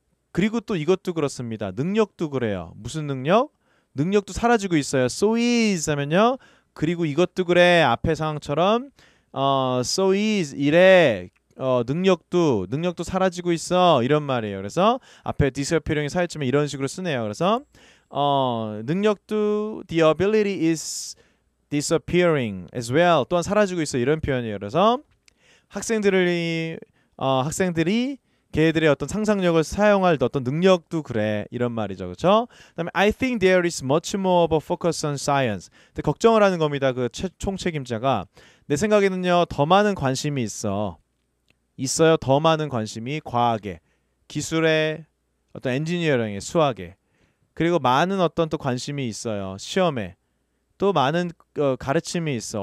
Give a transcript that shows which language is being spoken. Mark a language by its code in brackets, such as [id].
[ko] 그리고 또 이것도 그렇습니다. 능력도 그래요. 무슨 능력? 능력도 사라지고 있어요. So is 하면요. 그리고 이것도 그래. 앞에 상황처럼 so is 이래. 능력도 사라지고 있어 이런 말이에요. 그래서 앞에 disappearing이 사였지만 이런 식으로 쓰네요. 그래서 능력도 [en] the ability is disappearing as well. [ko] 또한 사라지고 있어 이런 표현이에요. 그래서 학생들이 걔들의 어떤 상상력을 사용할 어떤 능력도 그래 이런 말이죠. 그렇죠? 그다음에 [en] I think there is much more of a focus on science. [ko] 근데 걱정을 하는 겁니다. 그 총책임자가 내 생각에는요 더 많은 관심이 있어. 있어요. 더 많은 관심이 과학에, 기술에, 어떤 엔지니어링에, 수학에, 그리고 많은 어떤 또 관심이 있어요. 시험에 또 많은 가르침이 있어.